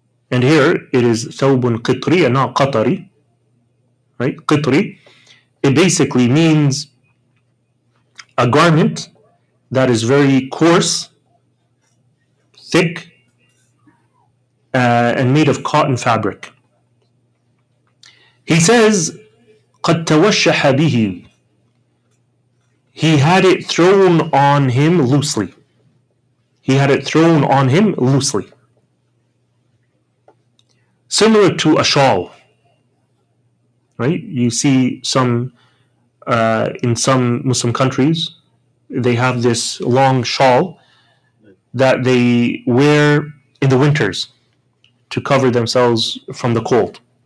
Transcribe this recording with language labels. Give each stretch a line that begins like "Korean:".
English: And here it is thawbun qitri and not qatari, right? Qitri. It basically means a garment that is very coarse, thick, and made of cotton fabric. He says,
Arabic: قَدْ تَوَشَّحَ بِهِ.
English: He had it thrown on him loosely. He had it thrown on him loosely. Similar to a shawl. Right? You see some, in some Muslim countries, they have this long shawl that they wear in the winters to cover themselves from the cold.